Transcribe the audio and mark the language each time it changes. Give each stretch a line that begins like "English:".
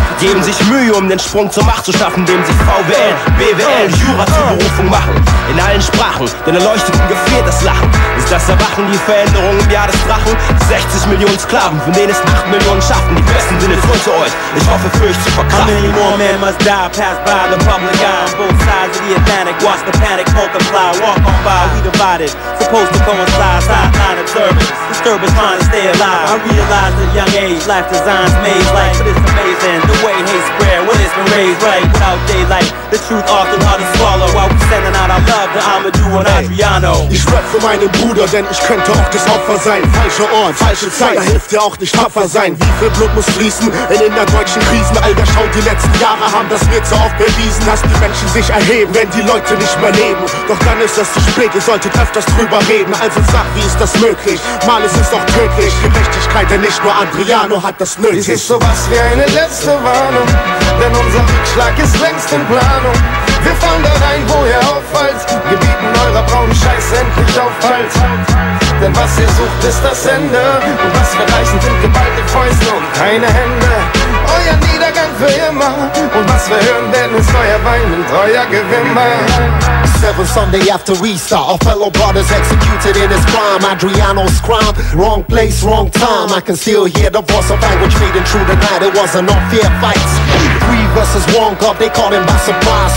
German: Geben sich Mühe, um den Sprung zur Macht zu schaffen, dem sich VWL, BWL, Jura zur Berufung machen. In allen Sprachen, den Erleuchteten gefehlt das Lachen. Ist das Erwachen, die Veränderung im Jahr des Drachen? 60 Millionen Sklaven, von denen es 8 Millionen schaffen. Die Besten sind jetzt unter euch, ich hoffe für euch zu verkraften.
English: How many more men must die, pass by the public eye. Both sides of the Atlantic, watch the panic multiply. Walk on by, we divided, supposed to coincide. Sideline observing. Disturb is trying to stay alive. I realize at a young age, life designs maze like. But it's amazing the way hate spread when it's been raised right. Without daylight, the truth often hard to swallow. While we're sending out our love to Amadou and Adriano.
German: Ich rap für meinen Bruder, denn ich könnte auch das Opfer sein. Falscher Ort, falsche Zeit, da hilft dir auch nicht tapfer sein. Wie viel Blut muss fließen in der deutschen Krise? Alter, schau, die letzten Jahre haben das mir zu oft bewiesen. Dass die Menschen sich erheben, wenn die Leute nicht mehr leben. Doch dann ist es zu spät, ihr solltet öfters drüber reden. Also sag, wie ist das möglich? Mal, es ist doch tödlich, Gerechtigkeit, denn nicht nur Adriano hat das nötig. Dies ist sowas wie eine letzte Warnung, denn unser Rückschlag ist längst in Planung. Wir fahren da rein, wo ihr auffallt, gebieten eurer braunen Scheiße endlich Aufhalt. Denn was ihr sucht, ist das Ende, und was wir reichen, sind geballte Fäuste und keine Hände. Euer Niedergang für immer, und was wir hören werden, ist euer Wein und euer Gewimmer.
English: Sunday after Easter, our fellow brothers executed in his prime. Adriano's crime, wrong place, wrong time. I can still hear the voice of anguish fading through the night. It was an unfair fight. Three versus one, God, they caught him by surprise.